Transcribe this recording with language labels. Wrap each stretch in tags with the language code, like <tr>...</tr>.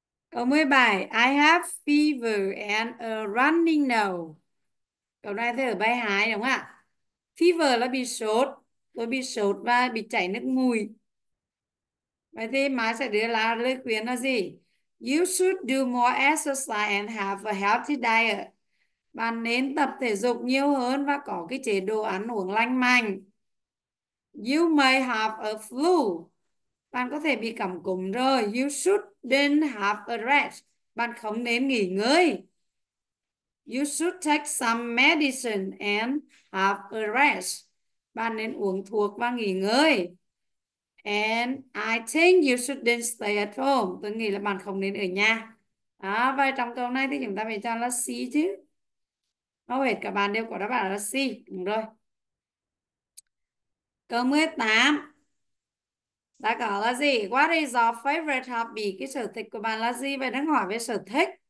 <en>Câu 17, I have fever and a running nose.</en> <vi>Câu này thế ở bài 2 đúng không ạ? Fever là bị sốt. Tôi bị sốt và bị chảy nước mũi. Vậy thì má sẽ đưa ra lời khuyên là gì?</vi> <en>You should do more exercise and have a healthy diet.</en> <vi>Bạn nên tập thể dục nhiều hơn và có cái chế độ ăn uống lành mạnh.</vi> <en>You may have a flu.</en> <vi>Bạn có thể bị cảm cúm rồi.</vi> <en>You shouldn't have a rest.</en> <vi>Bạn không nên nghỉ ngơi.</vi> <en>You should take some medicine and have a rest.</en> <vi>Bạn nên uống thuốc và nghỉ ngơi.</vi> <en>And I think you shouldn't stay at home.</en> <vi>Tôi nghĩ là bạn không nên ở nhà. Đó, và trong câu này thì chúng ta phải cho là C chứ. Hầu hết các bạn đều có đáp án là C. Đúng rồi. Câu 18. Đã có là gì?</vi> <en>What is your favorite hobby?</en> <vi>Cái sở thích của bạn là gì? Vậy đang hỏi về sở thích.</vi>